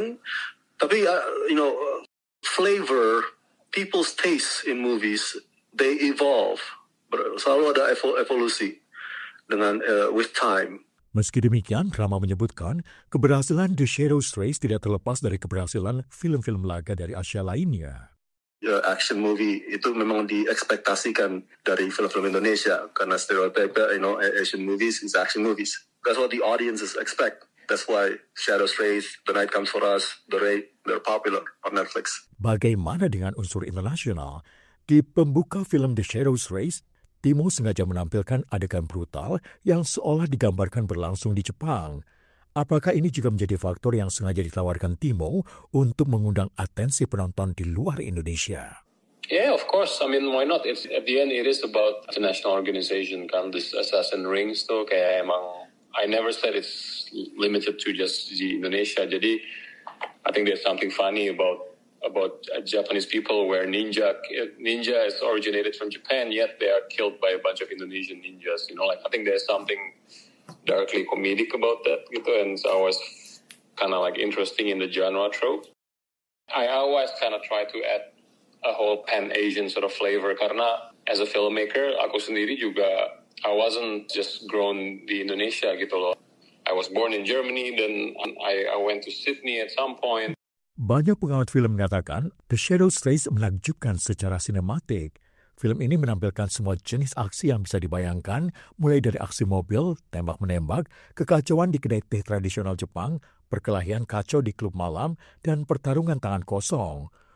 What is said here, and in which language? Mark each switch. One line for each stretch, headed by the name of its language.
English: And
Indonesian: tapi
English: flavor, people's taste in movies, they evolve.
Indonesian: Selalu ada evolusi dengan
English: with time.
Indonesian: Meski demikian, Rama menyebutkan keberhasilan The Shadow's Race tidak terlepas dari keberhasilan film-film laga dari Asia lainnya. Action movie itu memang diekspektasikan dari film-film Indonesia karena stereotype,
English: Asian movies is action movies. That's what the audiences expect. That's why Shadow's Race, The Night Comes for Us, The Raid, they're popular on Netflix.
Indonesian: Bagaimana dengan unsur internasional? Di pembuka film The Shadow's Race, Timo sengaja menampilkan adegan brutal yang seolah digambarkan berlangsung di Jepang. Apakah ini juga menjadi faktor yang sengaja ditawarkan Timo untuk mengundang atensi penonton di luar Indonesia?
English: Yeah, of course. I mean, why not? It's, at the end, it is about international organization,
Indonesian: kan?
English: This assassin rings,
Indonesian: tuh, kayak emang...
English: I never said it's limited to just the Indonesia.
Indonesian: Jadi,
English: I think there's something funny about Japanese people where ninja is originated from Japan, yet they are killed by a bunch of Indonesian ninjas. I think there's something darkly comedic about that,
Indonesian: gitu,
English: and so I was kind of like interesting in the genre trope. I always kind of try to add a whole pan-Asian sort of flavor,
Indonesian: karena
English: as a filmmaker,
Indonesian: aku sendiri juga,
English: I wasn't just grown the Indonesia,
Indonesian: gitu loh.
English: I was born in Germany, then I went to Sydney at some point.
Indonesian: Banyak pengamat film mengatakan The Shadow's Race menakjubkan secara sinematik. Film ini menampilkan semua jenis aksi yang bisa dibayangkan, mulai dari aksi mobil, tembak-menembak, kekacauan di kedai teh tradisional Jepang, perkelahian kacau di klub malam, dan pertarungan tangan kosong.